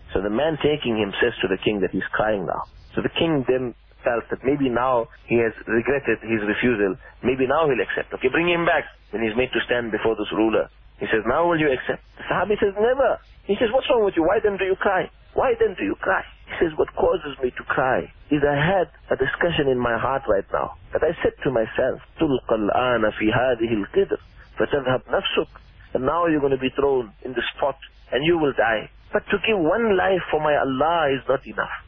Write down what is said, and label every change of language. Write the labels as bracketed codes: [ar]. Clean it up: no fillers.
[en] So the man taking him says to the king that he's crying now. So the king then felt that maybe now he has regretted his refusal. Maybe now he'll accept. Okay, bring him back. Then he's made to stand before this ruler. He says, now will you accept? The Sahabi says, never. He says, what's wrong with you? Why then do you cry? He says, what causes me to cry is I had a discussion in my heart right now. That I said to myself, [ar] تُلْقَ الْآنَ فِي هَذِهِ الْقِدْرِ فَتَذْهَبْ نَفْسُكَ. [en] And now you're going to be thrown in the spot and you will die. But to give one life for my Allah is not enough.